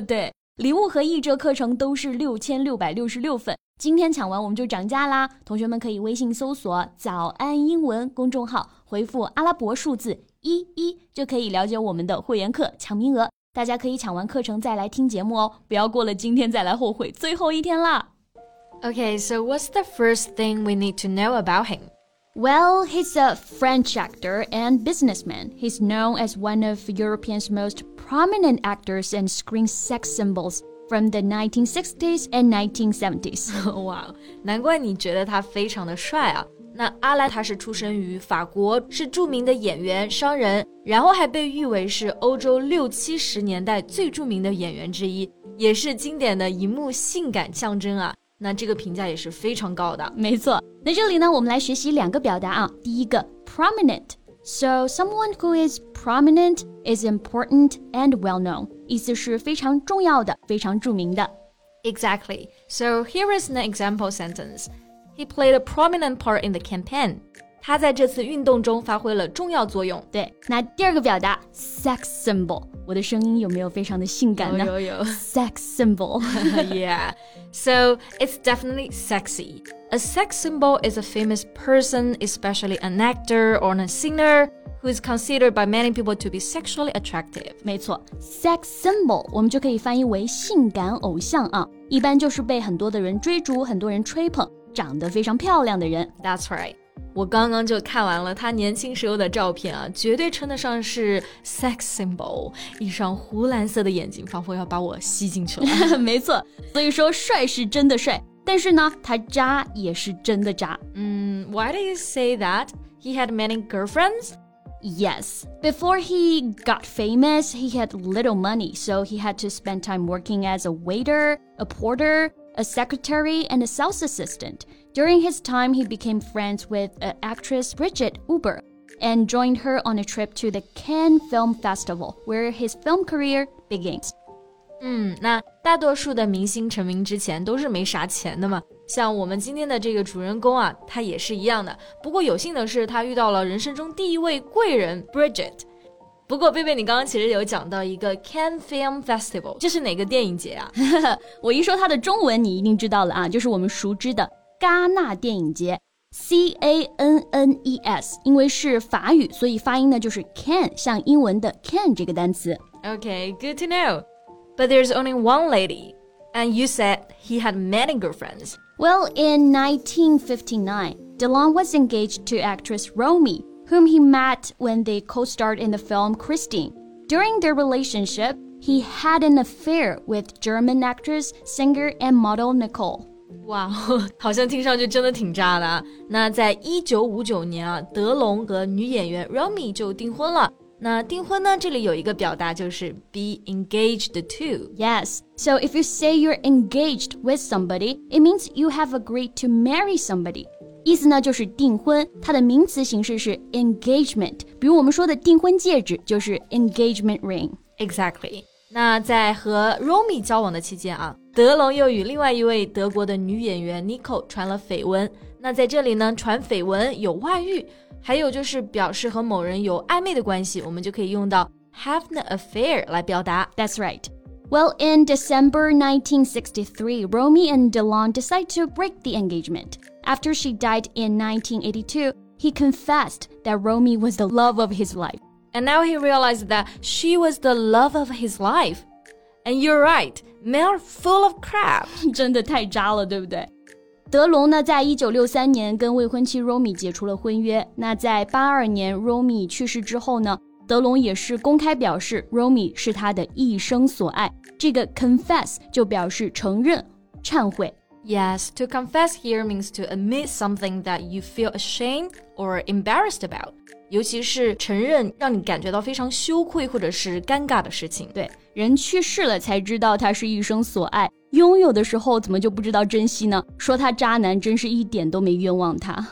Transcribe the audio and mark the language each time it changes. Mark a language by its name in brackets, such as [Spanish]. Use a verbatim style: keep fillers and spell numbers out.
[Chinese] 对，礼物和一折课程都是六千六百六十六份，今天抢完我们就涨价啦。同学们可以微信搜索早安英文公众号，回复阿拉伯数字一一就可以了解我们的会员课抢名额，大家可以抢完课程再来听节目哦，不要过了今天再来后悔，最后一天啦。 [English] Okay, so what's the first thing we need to know about him? Well, he's a French actor and businessman. He's known as one of Europe's most prominent actors and screen sex symbols from the nineteen sixties and nineteen seventies. [Chinese] Wow, 难怪你觉得他非常的帅啊。那阿兰他是出生于法国，是著名的演员、商人，然后还被誉为是欧洲六七十年代最著名的演员之一，也是经典的荧幕性感象征啊。那这个评价也是非常高的。没错，那这里呢我们来学习两个表达啊。第一个 prominent， [English] So someone who is prominent is important and well known， [Chinese] 意思是非常重要的，非常著名的。 [English] Exactly, so here is an example sentence. He played a prominent part in the campaign. [Chinese] 他在这次运动中发挥了重要作用。对，那第二个表达 sex symbol， 我的声音有没有非常的性感呢？有有有 [English] sex symbol. Yeah, so it's definitely sexy. A sex symbol is a famous person, especially an actor or a singer, who is considered by many people to be sexually attractive. [Chinese] 没错 ，sex symbol 我们就可以翻译为性感偶像啊，一般就是被很多的人追逐，很多人吹捧，长得非常漂亮的人。 [English] That's right. [Chinese] 我刚刚就看完了他年轻时候的照片啊，绝对称得上是 sex symbol。一双湖蓝色的眼睛，仿佛要把我吸进去了。没错，所以说帅是真的帅。但是呢，他渣也是真的渣。 [English] 嗯 ，Why do you say that? He had many girlfriends? Yes. Before he got famous, he had little money, so he had to spend time working as a waiter, a porter, a secretary, and a sales assistant. During his time, he became friends with uh, actress Bridget Huber and joined her on a trip to the Cannes Film Festival, where his film career begins. [Chinese] 嗯，那大多数的明星成名之前都是没啥钱的嘛，像我们今天的这个主人公啊，他也是一样的。不过有幸的是，他遇到了人生中第一位贵人 Bridget。不过贝贝，你刚刚其实有讲到一个 Cannes Film Festival， 这是哪个电影节啊？我一说它的中文，你一定知道了啊，就是我们熟知的戛纳电影节 C A N N E S， 因为是法语，所以发音呢就是 Cannes， 像英文的 Cannes 这个单词。 [English] Okay, good to know. But there's only one lady, and you said he had many girlfriends. Well, in nineteen fifty-nine, DeLonge was engaged to actress Romy, whom he met when they co-starred in the film Christine. During their relationship, he had an affair with German actress, singer, and model Nicole. [Chinese] 哇、wow, 好像听上去真的挺渣的啊。那在一九五九年啊，德龙和女演员 Romy 就订婚了。那订婚呢，这里有一个表达就是 be engaged to. [English] Yes, so if you say you're engaged with somebody, it means you have agreed to marry somebody. [Chinese] 意思呢就是订婚，它的名词形式是 engagement， 比如我们说的订婚戒指就是 engagement ring. [English] Exactly. [Chinese] 那在和 Romy 交往的期间啊，德龙又与另外一位德国的女演员 Nicole 传了绯闻。那在这里呢，传绯闻有外遇。还有就是表示和某人有暧昧的关系，我们就可以用到 have an affair 来表达。 [English] That's right. Well, in December nineteen sixty-three, Romy and DeLonge decide to break the engagement. After she died in nineteen eighty-two, he confessed that Romy was the love of his life. And now he realized that she was the love of his life. And you're right, men are full of crap. [Chinese] 真的太渣了，对不对？德龙呢，在一九六三年跟未婚妻 Romy 解除了婚约。那在八二年 Romy 去世之后呢，德龙也是公开表示 Romy 是他的一生所爱。这个 confess 就表示承认、忏悔。 [English] Yes, to confess here means to admit something that you feel ashamed or embarrassed about. [Chinese] 尤其是承认让你感觉到非常羞愧或者是尴尬的事情。对，人去世了才知道他是一生所爱。拥有的时候怎么就不知道珍惜呢？说他渣男真是一点都没冤枉他。